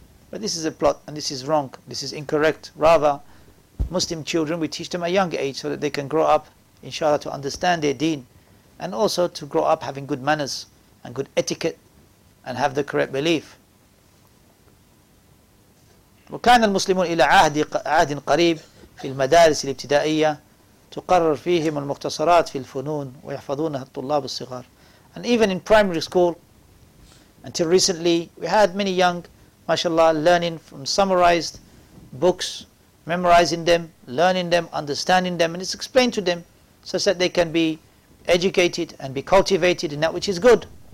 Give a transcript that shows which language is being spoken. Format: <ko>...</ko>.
<en>But this is a plot, and this is wrong. This is incorrect. Rather, Muslim children, we teach them at a young age so that they can grow up, inshallah, to understand their deen, and also to grow up having good manners and good etiquette and have the correct belief.</en> <ar>وكان المسلمون إلى عهد قريب في المدارس الابتدائية تقرر فيهم المختصرات في الفنون ويحفظونها الطلاب الصغار.</ar> <en>And even in primary school, until recently, we had many young, mashallah, learning from summarized books, memorizing them, learning them, understanding them, and it's explained to them so that they can be educated and be cultivated in that which is good.</en>